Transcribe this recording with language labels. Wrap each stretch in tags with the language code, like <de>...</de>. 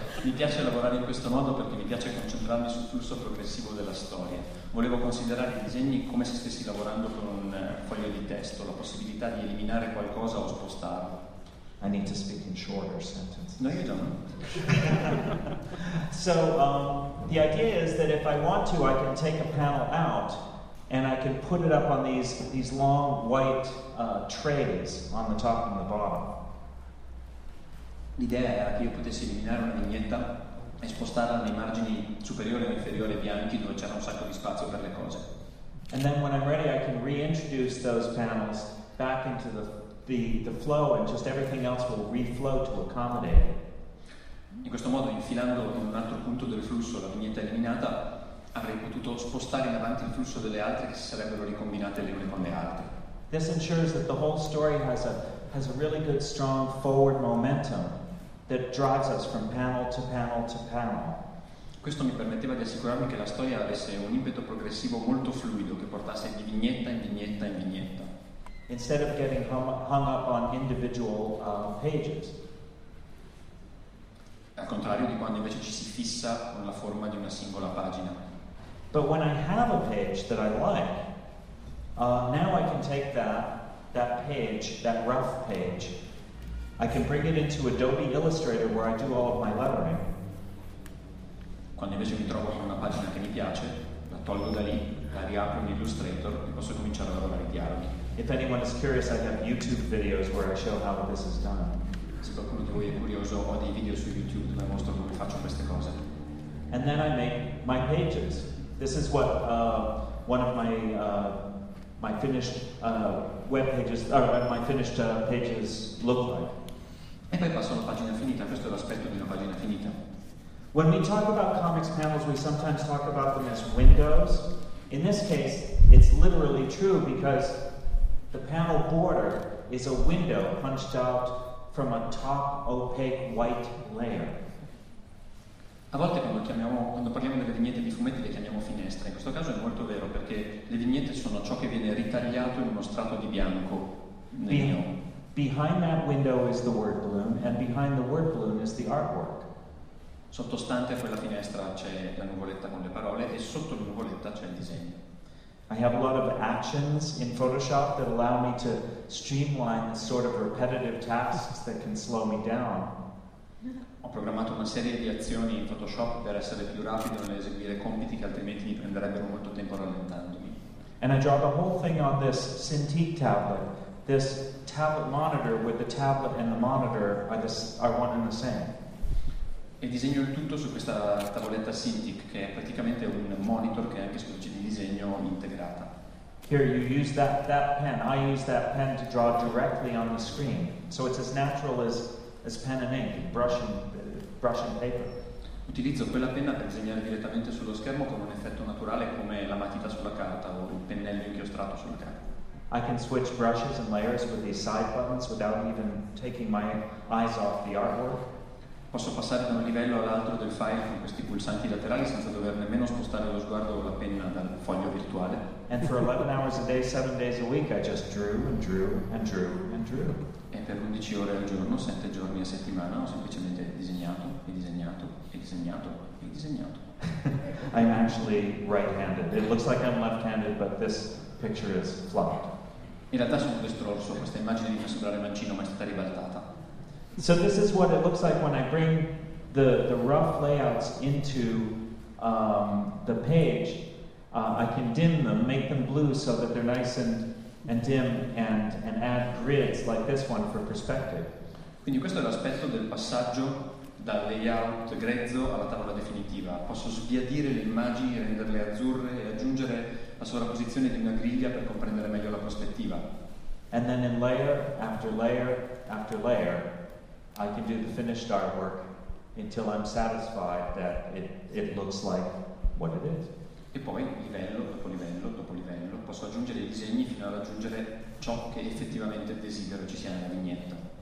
<it>Mi piace lavorare in questo modo perché mi piace concentrarmi sul flusso progressivo della storia. Volevo considerare i disegni come se stessi lavorando con un foglio di testo, la possibilità di eliminare qualcosa o spostarlo.</it> <en>I need to speak in shorter sentences. No, you don't. So, the idea is that if I want to, I can take a panel out and I can put it up on these long white trays on the top and the bottom.</en> <it>L'idea era che io potessi eliminare una vignetta e spostarla nei margini superiori e inferiori bianchi dove c'era un sacco di spazio per le cose.</it> <en>And then when I'm ready I can reintroduce those panels back into the flow and just everything else will reflow to accommodate.</en> <it>In questo modo, infilando in un altro punto del flusso la vignetta eliminata, avrei potuto spostare in avanti il flusso delle altre che si sarebbero ricombinate le une con le altre.</it> <en>This ensures that the whole story has a really good strong forward momentum that drives us from panel to panel to panel.</en> <it>Questo mi permetteva di assicurarmi che la storia avesse un impeto progressivo molto fluido che portasse di vignetta in vignetta in vignetta.</it> <en>Instead of getting hung up on individual pages.</en> <it>Al contrario di quando invece ci si fissa con la forma di una singola pagina.</it> <en>But when I have a page that I like, now I can take that page, that rough page, I can bring it into Adobe Illustrator where I do all of my lettering.</en> <it>Quando invece mi trovo con una pagina che mi piace, la tolgo da lì, la riapro in Illustrator e posso cominciare a lavorare i dialoghi.</it> <en>If anyone is curious, I have YouTube videos where I show how this is done.</en> <it>Se qualcuno di voi è curioso, ho dei video su YouTube dove mostro come faccio queste cose.</it> <en>And then I make my pages. This is what one of my my finished web pages, or my finished pages look like.</en> <it>E poi passo alla pagina finita. Questo è l'aspetto di una pagina finita.</it> <en>When we talk about comics panels, we sometimes talk about them as windows. In this case, it's literally true because the panel border is a window punched out from a top opaque white layer.</en> <it>A volte quando parliamo delle vignette di fumetti le chiamiamo finestre. In questo caso è molto vero perché le vignette sono ciò che viene ritagliato in uno strato di bianco.</it> <en>Behind that window is the word balloon, and behind the word balloon is the artwork.</en> <it>Sottostante a quella finestra c'è la nuvoletta con le parole e sotto la nuvoletta c'è il disegno.</it> <en>I have a lot of actions in Photoshop that allow me to streamline the sort of repetitive tasks that can slow me down.</en> <it>Ho programmato una serie di azioni in Photoshop per essere più rapido nell'eseguire compiti che altrimenti mi prenderebbero molto tempo rallentandomi.</it> <en>And I draw the whole thing on this Cintiq tablet. This tablet monitor with the tablet and the monitor are one and the same.</en> <it>E disegno il tutto su questa tavoletta Cintiq, che è praticamente un monitor che è anche specie di disegno integrata.</it> <en>Here you use that pen. I use that pen to draw directly on the screen. So it's as natural as pen and ink, brushing paper.</en> <it>Utilizzo quella penna per disegnare direttamente sullo schermo con un effetto naturale come la matita sulla carta o il pennello inchiostrato sulla carta.</it> <en>I can switch brushes and layers with these side buttons without even taking my eyes off the artwork.</en> <it>Posso passare da un livello all'altro del file con questi pulsanti laterali senza dover nemmeno spostare lo sguardo o la penna dal foglio virtuale.</it> <en>And for 11 hours a day, 7 days a week, I just drew and drew and drew and drew.</en> <it>E per 11 ore al giorno, 7 giorni a settimana, ho semplicemente disegnato e disegnato e disegnato e disegnato.</it> <en>I'm actually right-handed. It looks like I'm left-handed, but this picture is flopped.</en> <it>In realtà sono destro orso, questa immagine mi fa sembrare mancino, ma è stata ribaltata.</it> <en>So this is what it looks like when I bring the rough layouts into the page. I can dim them, make them blue so that they're nice and dim, and add grids like this one for perspective.</en> <it>Quindi questo è l'aspetto del passaggio dal layout grezzo alla tavola definitiva. Posso sbiadire le immagini, renderle azzurre e aggiungere la sovrapposizione di una griglia per comprendere meglio la prospettiva.</it> <en>And then in layer after layer after layer, I can do the finished artwork until I'm satisfied that it looks like what it is.</en> <it>E poi livello dopo livello dopo livello posso aggiungere i disegni fino ad aggiungere ciò che effettivamente desidero ci sia nella vignetta.</it>